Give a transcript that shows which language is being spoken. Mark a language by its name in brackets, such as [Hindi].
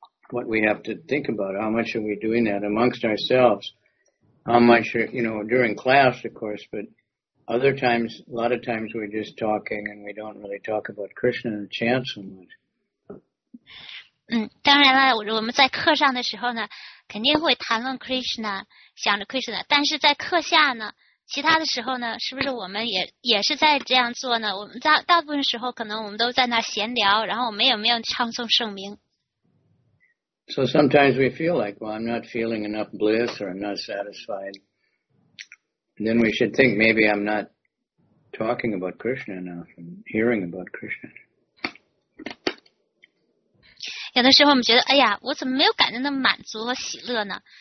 [English] What we have to think about, how much are we doing that amongst ourselves? How much, you know, during class, of course, but other times, a lot of times we're just talking and we don't really talk about Krishna and chant so much. [Chinese] 当然了，我们在课上的时候呢，肯定会谈论 Krishna，想着 Krishna，但是在课下呢，其他的时候呢，是不是我们也是在这样做呢？我们大部分时候可能我们都在那闲聊，然后我们也没有唱诵圣名。 [English] So sometimes we feel like, well, I'm not feeling enough bliss or I'm not satisfied. And then we should think maybe I'm not talking about Krishna enough and hearing about Krishna. [Chinese] 有的时候我们觉得，哎呀，我怎么没有感觉那么满足和喜乐呢？